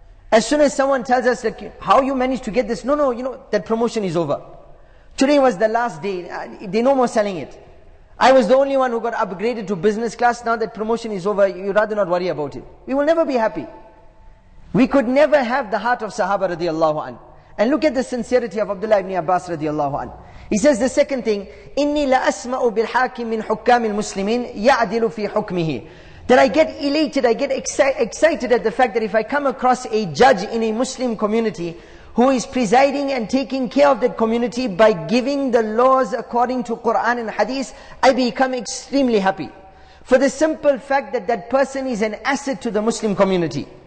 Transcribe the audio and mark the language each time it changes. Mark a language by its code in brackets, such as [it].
[en] As soon as someone tells us, like, how you managed to get this? No, you know, that promotion is over. Today was the last day. They're no more selling it. I was the only one who got upgraded to business class. Now that promotion is over, you'd rather not worry about it. We will never be happy. We could never have the heart of Sahaba radiallahu anhu. And look at the sincerity of Abdullah ibn Abbas radiallahu an. He says the second thing, [ar] إِنِّي لَأَسْمَأُ بِالْحَاكِمِ مِنْ حُكَّامِ الْمُسْلِمِينَ يَعْدِلُ فِي حُكْمِهِ. [en] That I get elated, I get excited at the fact that if I come across a judge in a Muslim community who is presiding and taking care of that community by giving the laws according to Quran and Hadith, I become extremely happy. For the simple fact that that person is an asset to the Muslim community.